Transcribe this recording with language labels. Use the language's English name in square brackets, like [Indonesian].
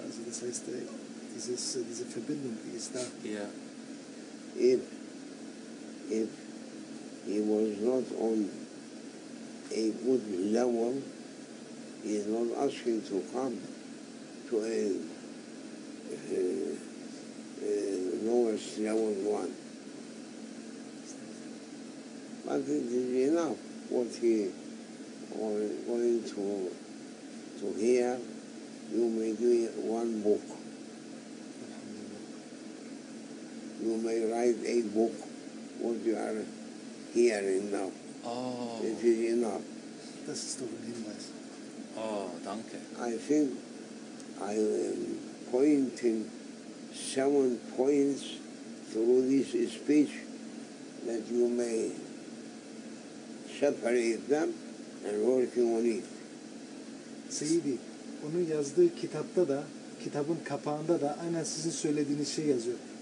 [German] Also das heißt, diese Verbindung, die ist da. Ja. Yeah. [English] If he was not on a good level, he is not asking to come to a lowest level one. But it is enough what he are going to hear. You may do one book. You may write a book what you are hearing now. Oh. It is enough. [German] Das ist doch ein Hinweis. Oh, danke. [English] I think I am pointing 7 points through this speech that you may separate them and working on it. [Turkish] Seyyidi, onun yazdığı kitapta da, kitabın kapağında da aynen sizin söylediğiniz şey yazıyor.